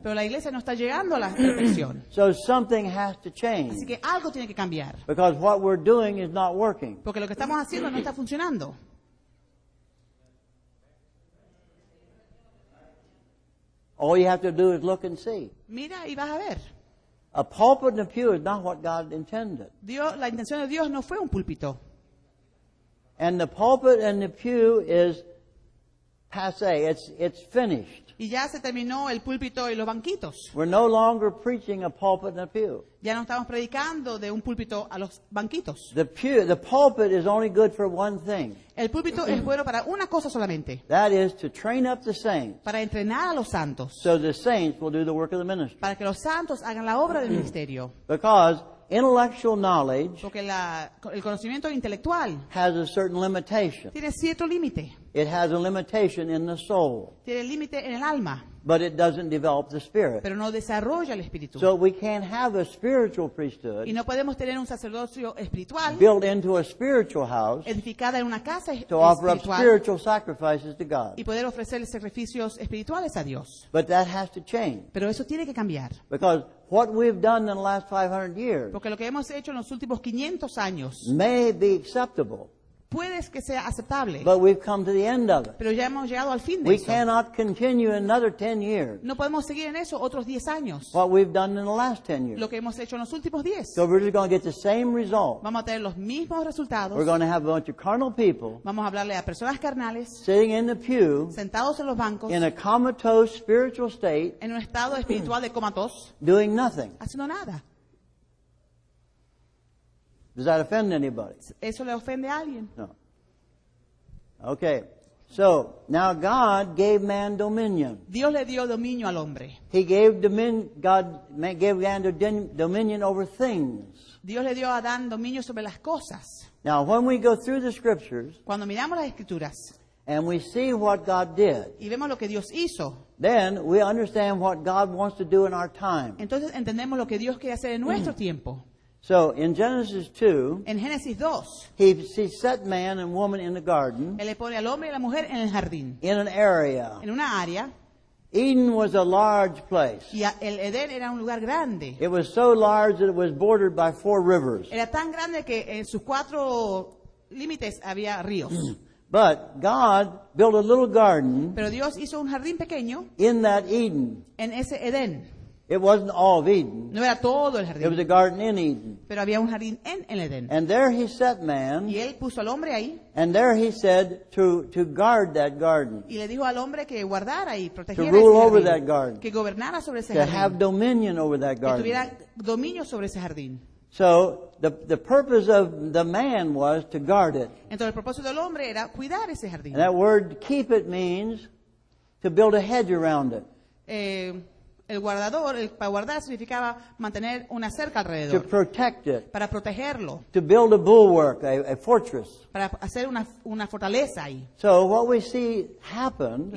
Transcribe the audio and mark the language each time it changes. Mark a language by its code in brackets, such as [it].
[es] Pero la iglesia no está llegando a la perfección. [en] So something has to change. [es] Así que algo tiene que cambiar. [en] Because what we're doing is not working. [es] Porque lo que estamos haciendo no está funcionando. [en] All you have to do is look and see. [es] Mira y vas a ver. [en] A pulpit and a pew is not what God intended. [es] Dios, la intención de Dios no fue un púlpito. [en] And the pulpit and the pew is passé. It's finished. [es] Y ya se terminó el púlpito y los banquitos. [en] We're no longer preaching a pulpit and a pew. [es] Ya no estamos predicando de un púlpito a los banquitos. [en] The pulpit is only good for one thing. [es] El púlpito es bueno para una cosa solamente. [en] That is to train up the saints. [es] Para entrenar a los santos. [en] So the saints will do the work of the ministry. [es] Para que los santos hagan la obra del ministerio. [en] Because intellectual knowledge, [es] porque el conocimiento intelectual, [en] has a certain limitation. [es] Tiene cierto límite. [en] It has a limitation in the soul. [es] Tiene límite en el alma. [en] But it doesn't develop the spirit. [es] Pero no desarrolla el espíritu. [en] So we can't have a spiritual priesthood, [es] y no podemos tener un sacerdocio espiritual, [en] built into a spiritual house, [es] edificada en una casa [en] to offer up spiritual sacrifices to God. [es] Y poder ofrecer sacrificios espirituales a Dios. [en] But that has to change. [es] Pero eso tiene que cambiar. [en] Because what we've done in the last 500 years, [es] porque lo que hemos hecho en los últimos 500 años, [en] may be acceptable, [es] puede que sea aceptable, [en] but we've come to the end of it. [es] Pero ya hemos llegado al fin de [en] we [es] eso. [en] Cannot continue another 10 years. [es] No podemos seguir en eso otros 10 años. [en] What we've done in the last 10 years. [es] Lo que hemos hecho en los últimos 10. [en] So we're just going to get the same result. [es] Vamos a tener los mismos resultados. [en] We're going to have a bunch of carnal people. [es] Vamos a hablarle a personas carnales. [en] Sitting in the pew. [es] Sentados en los bancos. [en] In a comatose spiritual state. [es] En un estado espiritual de comatose. [en] Doing nothing. [es] Haciendo nada. [en] Does that offend anybody? [es] ¿Eso le ofende a alguien? [en] No. Okay. So, now God gave man dominion. [es] Dios le dio dominio al hombre. [en] He gave dominion, God gave man dominion over things. [es] Dios le dio a Adán dominio sobre las cosas. [en] Now, when we go through the scriptures, [es] cuando miramos las escrituras, [en] and we see what God did, [es] y vemos lo que Dios hizo, [en] then we understand what God wants to do in our time. [es] Entonces entendemos lo que Dios quiere hacer en nuestro tiempo. [en] So in Genesis 2, [es] en Génesis 2, [en] he set man and woman in the garden. [es] Él le pone al hombre y a la mujer en el jardín. [en] In an area. [es] En una área. [en] Eden was a large place. [es] Y el Edén era un lugar grande. [en] It was so large that it was bordered by four rivers. [es] Era tan grande que en sus cuatro límites había ríos. [en] But God built a little garden. [es] Pero Dios hizo un jardín pequeño. [en] In that Eden. [es] En ese Edén. [en] It wasn't all of Eden. [es] No era todo el jardín. [en] It was a garden in Eden. [es] Pero había un jardín en el Edén. [en] And there he set man. [es] Y él puso al hombre ahí. [en] And there he said to guard that garden. [es] Y le dijo al hombre que guardara y protegiera ese jardín. [en] To rule over that garden. [es] Que gobernara sobre ese jardín. [en] To have dominion over that garden. [es] Que tuviera dominio sobre ese jardín. [en] So the purpose of the man was to guard it. [es] Entonces el propósito del hombre era cuidar ese jardín. [en] And that word keep it means to build a hedge around it. [es] El guardador, el para guardar significaba mantener una cerca alrededor. [en] To protect it. [es] Para protegerlo. [en] To build a bulwark, a fortress. [es] Para hacer una fortaleza ahí. [en] So what we see happened.